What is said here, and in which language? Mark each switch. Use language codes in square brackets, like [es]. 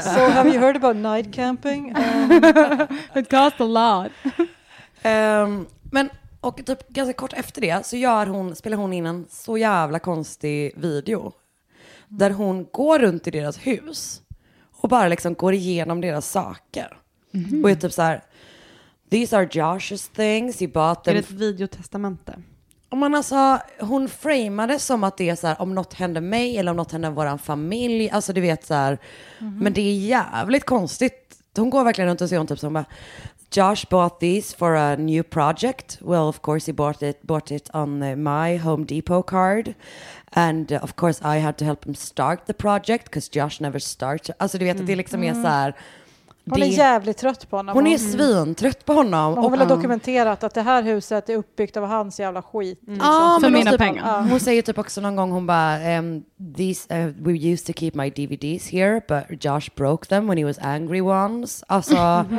[en] So have you heard about night camping? It costs a lot. [sv] Men... Och typ ganska kort efter det så spelar hon in en så jävla konstig video där hon går runt i deras hus och bara liksom går igenom deras saker. Mm-hmm. Och är typ så här, [en] these are Josh's things, he bought them. [sv] Är det ett videotestamente? Och man alltså, hon framade som att det är så här, om något händer mig eller om något händer våran familj, alltså du vet så här, men det är jävligt konstigt. Hon går verkligen runt och ser hon typ som bara, [en] Josh bought these for a new project. Well, of course, he bought it on my Home Depot card. And of course, I had to help him start the project because Josh never starts. [sv] Alltså, du vet att det liksom är så här... Hon är jävligt trött på honom. Hon är svintrött på honom. Hon vill ha dokumenterat att det här huset är uppbyggt av hans jävla skit. För mina pengar. Hon säger typ också någon gång, hon bara, [en] these we used to keep my DVDs here, but Josh broke them when he was angry once. [sv] Alltså,